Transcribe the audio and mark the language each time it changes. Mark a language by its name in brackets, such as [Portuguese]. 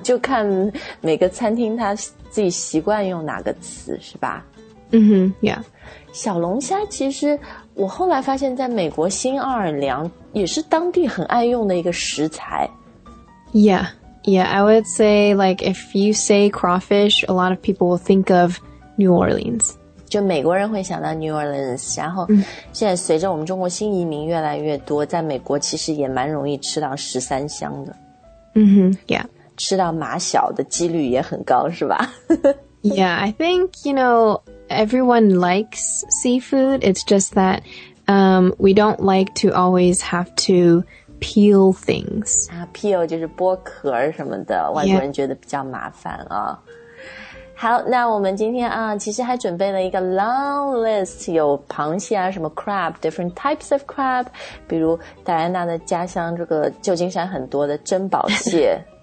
[Chinese] 就看每个餐厅他自己习惯用哪个词是吧？ [English] Yeah. [Chinese] 小龙虾其实我后来发现在美国新奥尔良也是当地很爱用的一个食材。 [English] Yeah, yeah. I would say like if you say crawfish, a lot of people will think of New Orleans. [Chinese] 就美国人会想到 New Orleans, 然后现在随着我们中国新移民越来越多，在美国其实也蛮容易吃到十三香的。 [English] Yeah. [Chinese] 吃到马小的几率也很高是吧 [English] Yeah, I think, you know, everyone likes seafood. It's just that, we don't like to always have to peel things. [Chinese] Peel 就是剥壳什么的，外国人觉得比较麻烦啊。好，那我们今天啊，其实还准备了一个 [English] long list， [Chinese] 有螃蟹啊，什么 crab， [English] different types of crab， [Chinese] 比如戴安娜的家乡这个旧金山很多的珍宝蟹。